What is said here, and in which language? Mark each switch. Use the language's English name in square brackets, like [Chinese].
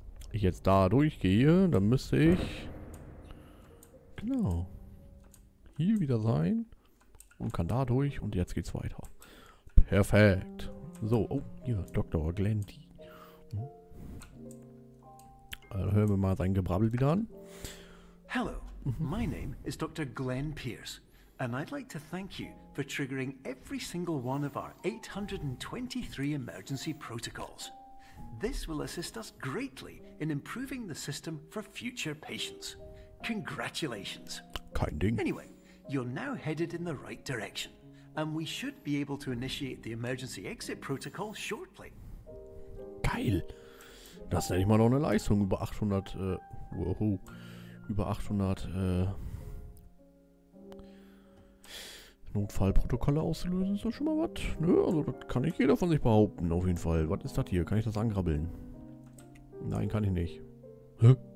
[German] Ich jetzt da durchgehe, dann müsste ich genau hier wieder sein und kann da durch und jetzt geht's weiter. Perfekt. So, oh, hier, Dr. Glendy. Also hören wir mal sein Gebrabbel wieder an. [English] Hello, my name is Dr. Glenn Pierce and I'd like to thank you for triggering every single one of our 823 emergency protocols. This will assist us greatly in improving the system for future patients. Congratulations. [German] Kein Ding. [English] Anyway, you're now headed in the right direction. and we should be able to initiate the emergency exit protocol shortly. [German] Geil. Das nenne ich mal noch eine Leistung. Über 800, wow. Über 800, Notfallprotokolle auszulösen, ist doch schon mal was. Nö, also das kann nicht jeder von sich behaupten, auf jeden Fall. Was ist das hier? Kann ich das angrabbeln? Nein, kann ich nicht. Hä?